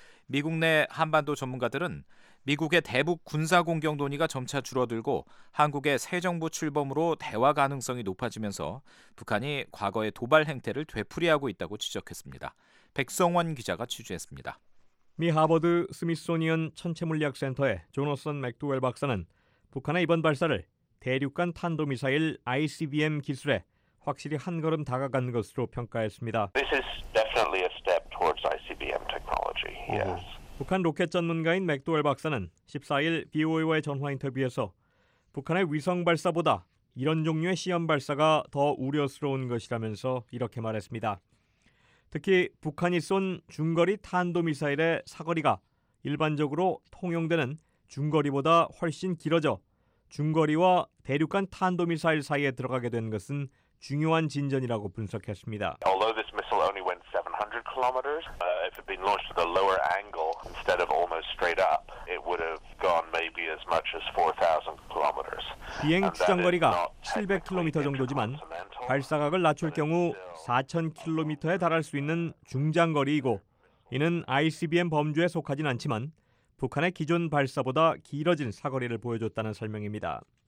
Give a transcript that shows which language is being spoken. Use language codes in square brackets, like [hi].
[ko] 미국 내 한반도 전문가들은 미국의 대북 군사 공격 논의가 점차 줄어들고 한국의 새 정부 출범으로 대화 가능성이 높아지면서 북한이 과거의 도발 행태를 되풀이하고 있다고 지적했습니다. 백성원 기자가 취재했습니다. 미 하버드 스미스소니언 천체물리학센터의 조너슨 맥도웰 박사는 북한의 이번 발사를 대륙간 탄도미사일 ICBM 기술에 확실히 한 걸음 다가간 것으로 평가했습니다. [en] This is definitely a step towards ICBM technology. Yes. [ko] 북한 로켓 전문가인 맥도웰 박사는 14일 BOA와의 전화 인터뷰에서 북한의 위성 발사보다 이런 종류의 시험 발사가 더 우려스러운 것이라면서 이렇게 말했습니다. 특히 북한이 쏜 중거리 탄도미사일의 사거리가 일반적으로 통용되는 중거리보다 훨씬 길어져 중거리와 대륙간 탄도미사일 사이에 들어가게 된 것은 중요한 진전이라고 분석했습니다. [en] Although this missile only went 700 kilometers, if it had been launched at a lower angle instead of almost straight up, it would have gone maybe as much as 4,000 kilometers. [ko] 비행 추정거리가 700km 정도지만 발사각을 낮출 경우 4,000km에 달할 수 있는 중장거리이고 이는 ICBM 범주에 속하진 않지만 북한의 기존 발사보다 길어진 사거리를 보여줬다는 설명입니다.